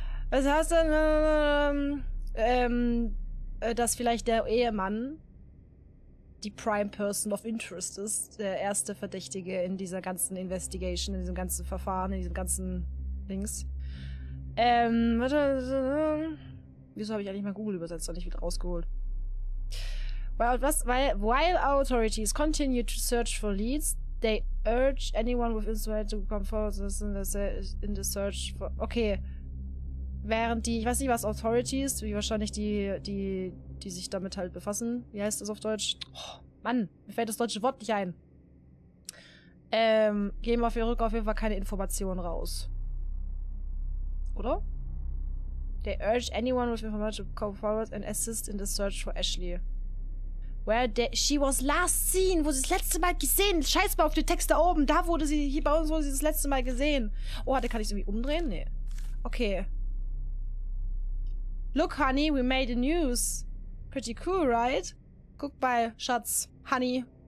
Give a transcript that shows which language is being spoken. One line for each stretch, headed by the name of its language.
German: Was heißt denn, dass vielleicht der Ehemann die
English: Prime Person of Interest
German: ist, der erste Verdächtige in dieser ganzen Investigation, in diesem ganzen Verfahren, in diesem ganzen Dings. Wieso habe ich eigentlich mal Google übersetzt und nicht wieder rausgeholt?
English: While authorities continue to search for leads, they urge anyone with information to come forward in the search for... Okay.
German: Während die, ich weiß nicht, was Authorities, wie wahrscheinlich die sich damit halt befassen. Wie heißt das auf Deutsch? Oh, Mann, mir fällt das deutsche Wort nicht ein. Geben auf ihr Rück auf jeden Fall keine Informationen raus. Oder?
English: They urge anyone with information to come forward and assist in the search for Ashley. She was last seen,
German: wo sie das letzte Mal gesehen. Scheiß mal auf den Text da oben. Da wurde sie, hier bei uns wurde sie das letzte Mal gesehen. Oh, da kann ich es irgendwie umdrehen? Nee. Okay.
English: Look, honey, we made the news. Pretty cool, right?
German: Guck mal, Schatz, honey.